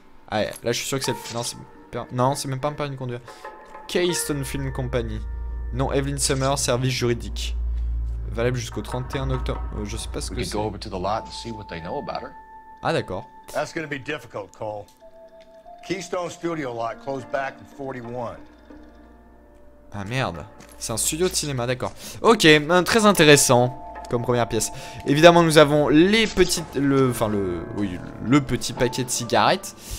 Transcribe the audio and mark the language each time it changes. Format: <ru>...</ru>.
<fr>Allez, là, je suis sûr que c'est... Non, c'est même pas un permis de conduire. Keystone Film Company. Nom Evelyn Summer, service juridique. Valable jusqu'au 31 octobre. Je sais pas ce que c'est.</fr> <en>We could go over to the lot and see what they know about her.</en> <fr>Ah, d'accord.</fr> <en>That's gonna be difficult, Cole. Keystone Studio lot closed back in 41.</en> <fr>Ah merde. C'est un studio de cinéma, d'accord. Ok, très intéressant comme première pièce. Évidemment, nous avons les petites. Le petit paquet de cigarettes.</fr>